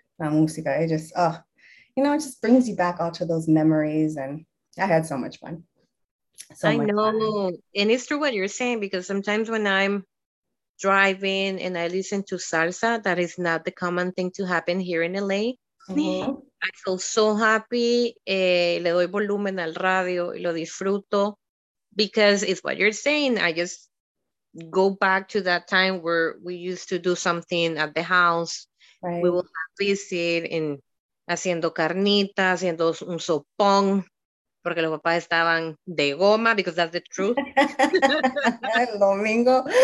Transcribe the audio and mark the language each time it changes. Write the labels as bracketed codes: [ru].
[es] La música, [en] it just, oh, you know, it just brings you back all to those memories. And I had so much fun. So I know. And it's true what you're saying, because sometimes when I'm driving and I listen to salsa, that is not the common thing to happen here in LA. Mm-hmm. I feel so happy. [es] Le doy volumen al radio y lo disfruto. [en] Because it's what you're saying. I just go back to that time where we used to do something at the house. Right. We will have visit in [es] haciendo carnita, haciendo un sopón, porque los papás estaban de goma, [en] because that's the truth. [es] El domingo.